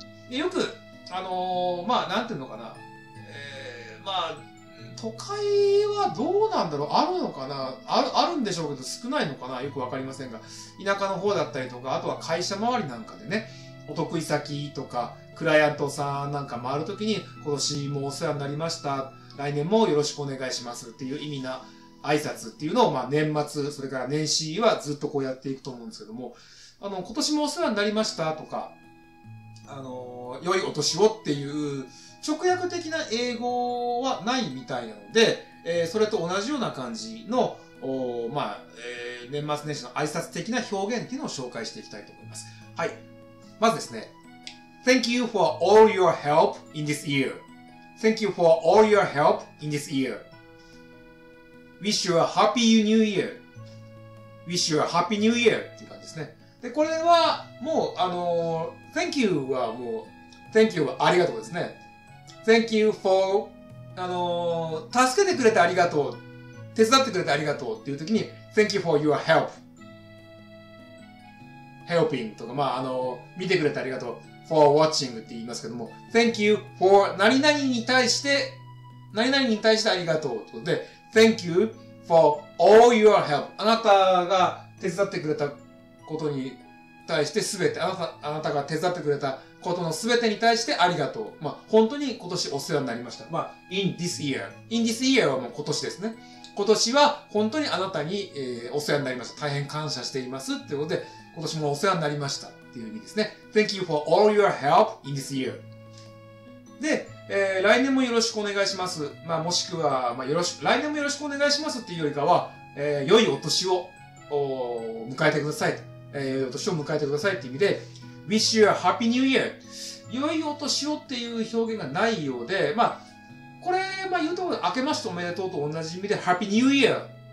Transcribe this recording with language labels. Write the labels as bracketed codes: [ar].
[ja] よく、まあ、なんていうのかな。まあ、都会はどうなんだろう、あるのかな、あるんでしょうけど少ないのかな、よくわかりませんが、田舎の方だったりとか、あとは会社周りなんかでね、お得意先とか、クライアントさんなんか回るときに、今年もお世話になりました、来年もよろしくお願いしますっていう意味な、挨拶っていうのを、まあ、年末、それから年始はずっとこうやっていくと思うんですけども、今年もお世話になりましたとか、良いお年をっていう直訳的な英語はないみたいなので、それと同じような感じの、まあ、年末年始の挨拶的な表現っていうのを紹介していきたいと思います。はい。まずですね、 [en] Thank you for all your help in this year. Thank you for all your help in this year. Wish you a happy new year. Wish you a happy new year. [ja] っていう感じですね。で、これは、もう、 [en] thank you [ja] はもう、thank you はありがとうですね。 [en] thank you for, [ja] 助けてくれてありがとう。手伝ってくれてありがとうっていう時に、 [en] thank you for your help. [ja] helping とか、まあ、見てくれてありがとう。 [en] for watching [ja] って言いますけども、 [en] thank you for [ja] 何々に対して、何々に対してありがとうってことで、 [en] Thank you for all your help. [ja] あなたが手伝ってくれたことに対してすべて、あなたが手伝ってくれたことのすべてに対してありがとう。まあ、本当に今年お世話になりました。 [en] まあ、in this year. In this year [ja] はもう今年ですね。今年は本当にあなたに、お世話になりました。大変感謝していますっていうことで、今年もお世話になりましたっていう意味ですね。 [en] Thank you for all your help in this year. [ja] で、来年もよろしくお願いします。まあ、もしくは、まあ、来年もよろしくお願いしますっていうよりかは、良いお年を、迎えてください。良いお年を迎えてくださいっていう意味で、 [en] Wish you a happy new year. [ja] 良いお年をっていう表現がないようで、まあ、これ、まあ、言うと、明けましておめでとうと同じ意味で、 [en] Happy new year.